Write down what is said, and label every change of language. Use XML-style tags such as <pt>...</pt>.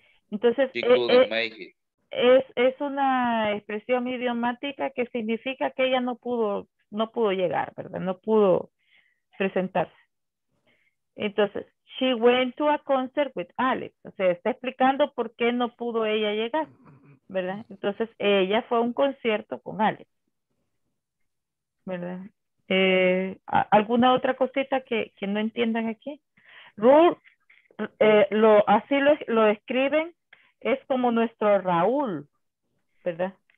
<es>Entonces, es una expresión idiomática que significa que ella no pudo llegar, ¿verdad? No pudo presentarse.</es> <en>Entonces, she went to a concert with Alex.</en> <es>O sea, está explicando por qué no pudo ella llegar, ¿verdad? Entonces, ella fue a un concierto con Alex, ¿verdad? ¿Alguna otra cosita que no entiendan aquí? Rule, así lo escriben, es como nuestro Raúl, ¿verdad?</es>